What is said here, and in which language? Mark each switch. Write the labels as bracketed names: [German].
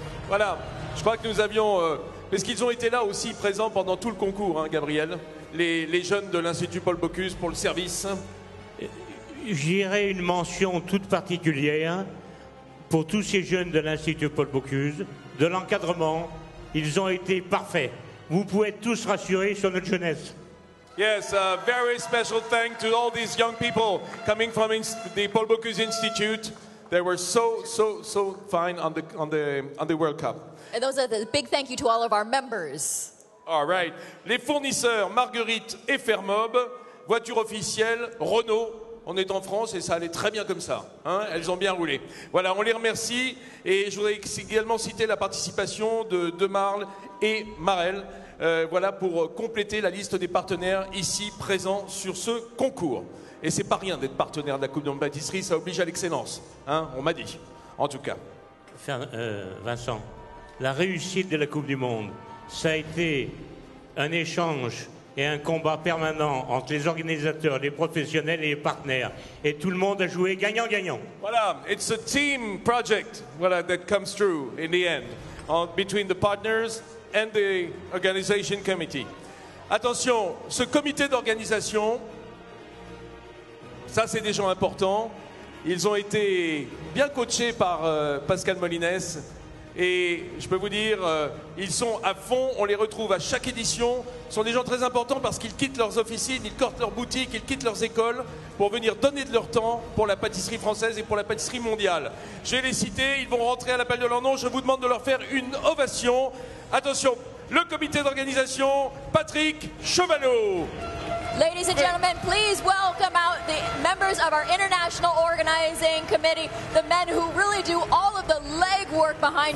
[French] Voilà, je crois que nous avions... parce qu'ils ont été là aussi présents pendant tout le concours, hein, Gabriel, les jeunes de l'Institut Paul Bocuse pour le service. J'irai une mention toute particulière pour tous ces jeunes de l'Institut Paul Bocuse, de l'encadrement. Ils ont été parfaits. Vous pouvez tous rassurer sur notre jeunesse. [English] Yes, a very special thank to all these young people coming from the Paul Bocuse Institute. They were so fine on the World Cup. And those are the big thank you to all of our members. All right. [French] Les fournisseurs Marguerite et Fermob, voiture officielle Renault. On est en France et ça allait très bien comme ça. Hein, elles ont bien roulé. Voilà, on les remercie. Et je voudrais également citer la participation de Demarle et Marel. Voilà, pour compléter la liste des partenaires ici présents sur ce concours. Et c'est pas rien d'être partenaire de la Coupe de la Pâtisserie, ça oblige à l'excellence. Hein, on m'a dit, en tout cas. Vincent, la réussite de la Coupe du Monde, ça a été un échange et un combat permanent entre les organisateurs, les professionnels et les partenaires. Et tout le monde a joué gagnant-gagnant. [English] Voilà, it's a team project, voilà, that comes through in the end, between the partners and the organization committee. [French] Attention, ce comité d'organisation, ça c'est des gens importants. Ils ont été bien coachés par Pascal Molines. Et je peux vous dire, ils sont à fond, on les retrouve à chaque édition. Ce sont des gens très importants parce qu'ils quittent leurs officines, ils cortent leurs boutiques, ils quittent leurs écoles pour venir donner de leur temps pour la pâtisserie française et pour la pâtisserie mondiale. Je vais les citer, ils vont rentrer à l'appel de leur nom. Je vous demande de leur faire une ovation. Attention, le comité d'organisation, Patrick Chevalot. [English] Ladies and gentlemen, please welcome out the members of our international organizing committee, the men who really do all of the legwork behind